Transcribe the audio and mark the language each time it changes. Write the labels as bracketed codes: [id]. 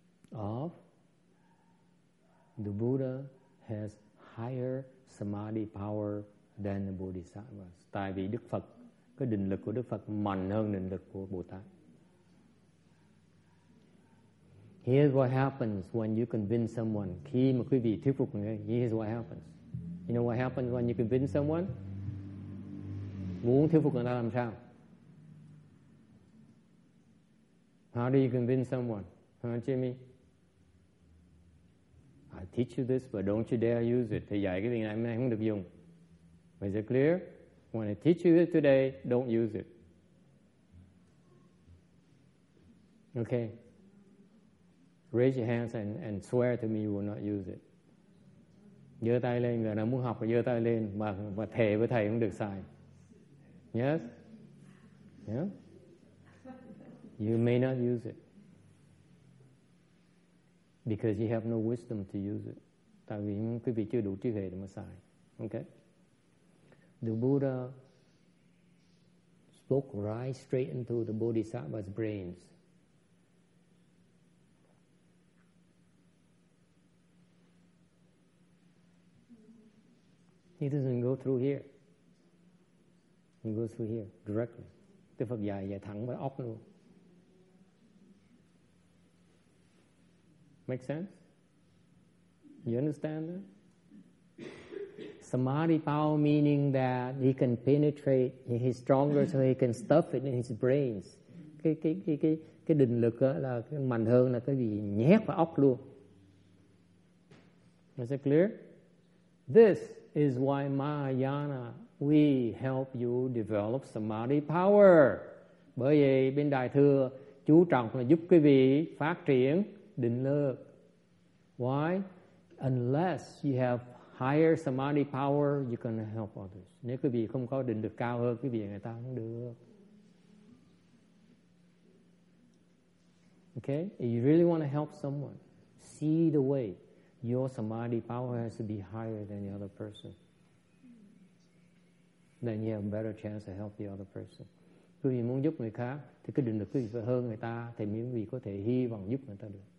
[en] Of the Buddha has higher samadhi power than the Bodhisattva. [vi] Tại vì Đức Phật, cái định lực của Đức Phật mạnh hơn định lực của Bồ Tát. [en] Here's what happens when you convince someone. [vi] Khi mà quý vị thuyết phục người, [en] here's what happens. You know what happens when you convince someone? [vi] Muốn thuyết phục người ta làm sao? [en] How do you convince someone? Huh, Jimmy? I teach you this, but don't you dare use it. [vi] Thầy dạy cái này mà không được dùng. [en] Is it clear? When I teach you it today, don't use it. Okay. Raise your hands and swear to me you will not use it. [vi] Giơ tay lên, người nào muốn học thì giơ tay lên và thề với thầy không được xài. [en] Yes? Yeah? You may not use it. Because you have no wisdom to use it. [vi] Tại vì quý vị chưa đủ trí huệ để mà xài. [en] Okay? The Buddha spoke right straight into the Bodhisattva's brains. He doesn't go through here. He goes through here directly. [vi] Đức Phật dạy dạy thẳng vào óc luôn. [en] Make sense? You understand that? Samadhi power meaning that he can penetrate, he's stronger so he can stuff it in his brains. [vi] Cái định lực là mạnh hơn là cái gì nhét vào óc luôn. [en] Is it clear? This is why Mahayana, we help you develop samadhi power. [vi] Bởi vậy bên Đại Thừa chú trọng là giúp quý vị phát triển định lực. [en] Why? Unless you have higher samadhi power, you can help others. [vi] Nếu quý vị không có định lực cao hơn, quý vị người ta không được. [en] Okay? If you really want to help someone, see the way. Your samadhi power has to be higher than the other person. Then you have a better chance to help the other person. [vi] Quý vị muốn giúp người khác, thì cái định lực quý vị phải hơn người ta, thì quý vị có thể hy vọng giúp người ta được.